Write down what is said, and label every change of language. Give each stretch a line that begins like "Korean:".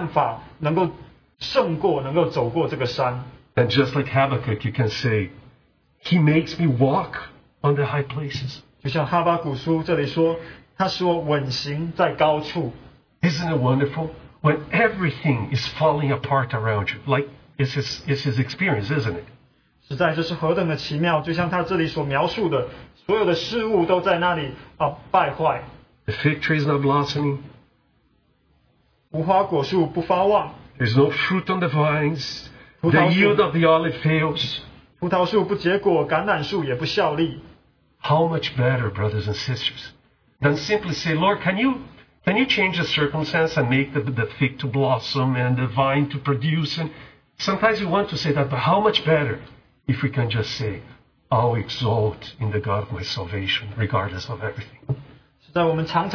Chinese: 但是主在那里训练我们，使我们有一个办法能够胜过，能够走过这个山。
English: And just like Habakkuk, you can say, He makes me walk on the high places.
Chinese: 就像哈巴谷书这里说，他使我稳行在高处。
English: Isn't it wonderful? When everything is falling apart around you, like it's his experience, isn't it?
Chinese: 实在这是何等的奇妙，就像他这里所描述的，所有的事物都在那里败坏。
English: The fig tree is not blossoming.
Chinese: 无花果树不发旺。
English: There's no fruit on the vines. The yield of the olive fails.
Chinese: 葡萄树不结果，橄榄树也不效力。
English: How much better, brothers and sisters, than simply say, Lord, can you change the circumstance and make the fig to blossom and the vine to produce? And sometimes you want to say that, but how much better if we can just say, I'll exalt in the God of my salvation, regardless of everything.